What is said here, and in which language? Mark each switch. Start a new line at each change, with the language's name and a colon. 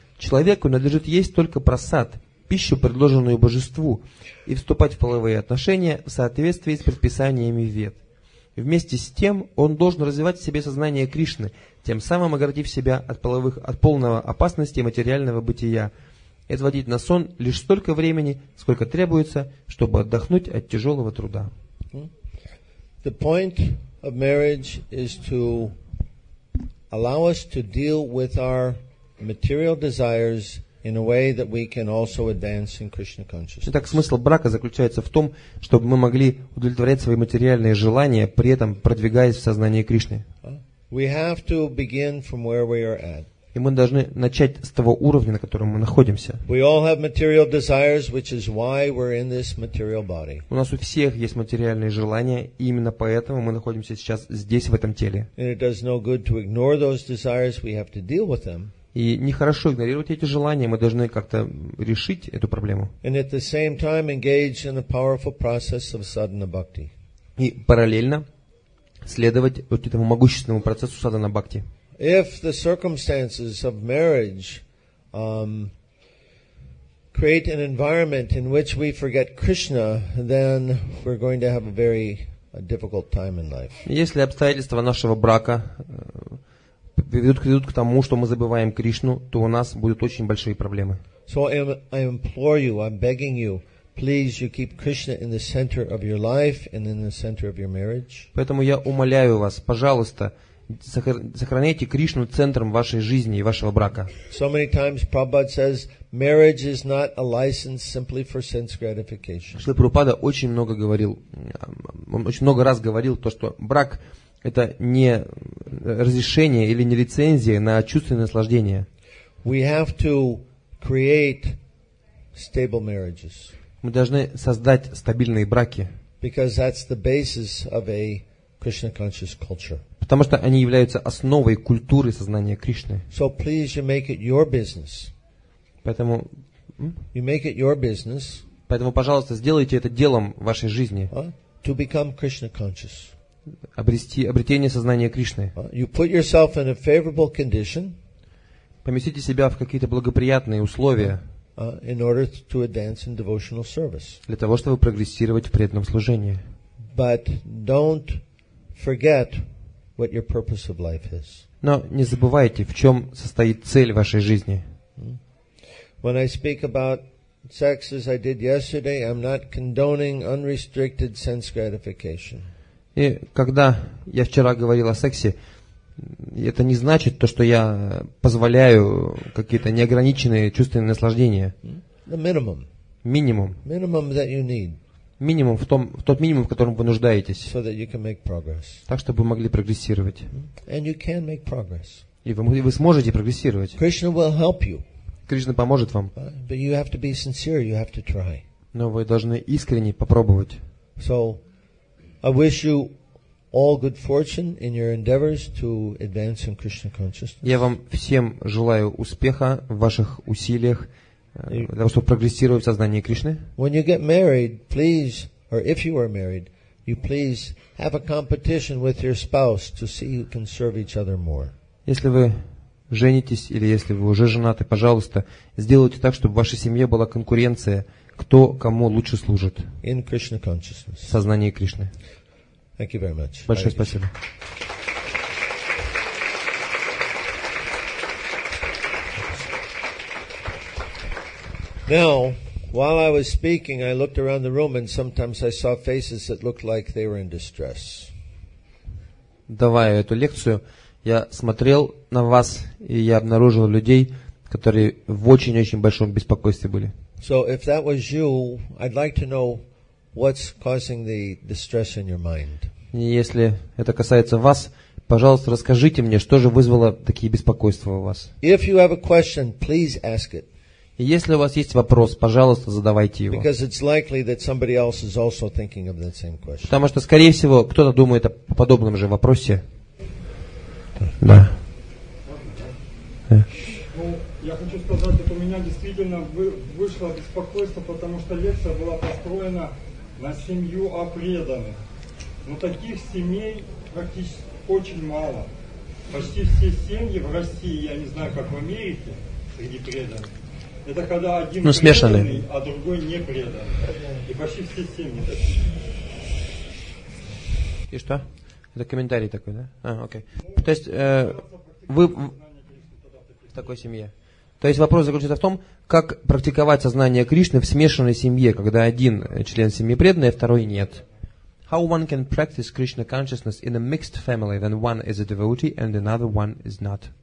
Russian: Человеку надлежит есть только прасад, пищу, предложенную божеству, и вступать в половые отношения в соответствии с предписаниями вед. Вместе с тем он должен развивать в себе сознание Кришны, тем самым оградив себя от полного опасности материального бытия, и отводить на сон лишь столько времени, сколько требуется, чтобы отдохнуть от тяжелого труда.
English: The point of marriage is to allow us to deal with our material desires in a way that we can also advance in Krishna consciousness.
Russian: Итак, смысл брака заключается в том, чтобы мы могли удовлетворять свои материальные желания, при этом продвигаясь в сознании Кришны.
English: We have to begin from where we are at.
Russian: И мы должны начать с того уровня, на котором мы находимся.
English: We all have material desires, which is why we're in this material body.
Russian: У нас у всех есть материальные желания, и именно поэтому мы находимся сейчас здесь, в этом теле.
English: And it does no good to ignore those desires. We have to deal with them.
Russian: И нехорошо игнорировать эти желания, мы должны как-то решить эту проблему.
English: And at the same time engage in the powerful process of sadhana bhakti.
Russian: И параллельно следовать вот этому могущественному процессу садхана бхакти.
English: If the circumstances of marriage create an environment in which we forget Krishna, then we're going to have a very difficult time in life.
Russian: Если обстоятельства нашего брака приведут к тому, что мы забываем Кришну, то у нас будут очень большие проблемы.
English: So I implore you, I'm begging you, please, you keep Krishna in the center of your life and in the center of your marriage.
Russian: Поэтому я умоляю вас, пожалуйста, сохраняйте Кришну центром вашей жизни и вашего брака.
English: So many times Prabhupada says, marriage is not a license simply for sense gratification.
Russian: Шрила Прабхупада очень много говорил, он очень много раз говорил то, что брак это не разрешение или не лицензия на чувственное наслаждение.
English: We have to create stable marriages.
Russian: Мы должны создать стабильные браки.
English: Because that's the basis of a Krishna conscious culture.
Russian: Потому что они являются основой культуры сознания Кришны.
English: So please you make it your business.
Russian: Поэтому
English: you make it your business.
Russian: Поэтому, пожалуйста, сделайте это делом вашей жизни.
English: To become Krishna conscious.
Russian: Обретение сознания Кришны.
English: You put yourself in a favorable condition.
Russian: поместите себя в какие-то благоприятные условия
English: in order to advance in devotional service.
Russian: Для того, чтобы прогрессировать в преданном служении.
English: But don't forget what your purpose of life is.
Russian: Но не забывайте, в чем состоит цель вашей жизни.
English: When I speak about sex as I did yesterday, I'm not condoning unrestricted sense gratification.
Russian: И когда я вчера говорил о сексе, это не значит то, что я позволяю какие-то неограниченные чувственные наслаждения.
English: The minimum.
Russian: Минимум.
English: Minimum that you need.
Russian: Минимум, в тот минимум, в котором вы нуждаетесь.
English: So that you can make progress.
Russian: Так, чтобы вы могли прогрессировать.
English: And you can make progress.
Russian: И вы сможете прогрессировать.
English: Krishna will help you.
Russian: Кришна поможет вам.
English: But you have to be sincere, you have to try.
Russian: Но вы должны искренне попробовать.
English: So, I wish you all good fortune in your endeavors to advance in Krishna consciousness.
Russian: Я вам всем желаю успеха в ваших усилиях, для того, чтобы прогрессировать в сознании Кришны.
English: When you get married, please, or if you are married, you please have a competition with your spouse to see who can serve each other more.
Russian: Если вы женитесь или если вы уже женаты, пожалуйста, сделайте так, чтобы в вашей семье была конкуренция, кто кому лучше служит.
English: In Krishna consciousness.
Russian: В сознании Кришны.
English: Thank you very much.
Russian: Большое спасибо.
English: Now, while I was speaking, I looked around the room and sometimes I saw faces that looked like they were in distress.
Russian: Давая эту лекцию, я смотрел на вас, и я обнаружил людей, которые в очень-очень большом беспокойстве были.
English: So, if that was you, I'd like to know what's causing the distress in your mind.
Russian: Если это касается вас, пожалуйста, расскажите мне, что же вызвало такие беспокойства у вас.
English: If you have a question, please ask it.
Russian: Если у вас есть вопрос, пожалуйста, задавайте его.
English: Because it's likely that somebody else is also thinking of that same question.
Russian: Потому что, скорее всего, кто-то думает о подобном же вопросе. Да. Я хочу сказать, что у меня действительно вышло беспокойство, потому что лекция была построена на семью о преданных. Но таких семей практически очень мало. Почти все семьи в России, я не знаю, как в Америке, среди преданных, это когда один ну, преданный, а другой не преданный. И почти все семьи такие. И что? Это комментарий такой, да? А, окей. То есть, вы в такой семье. То есть, вопрос заключается в том, как практиковать сознание Кришны в смешанной семье, когда один член семьи преданный, а второй нет.
English: How one can practice Krishna consciousness in a mixed family when one is a devotee and another one is not?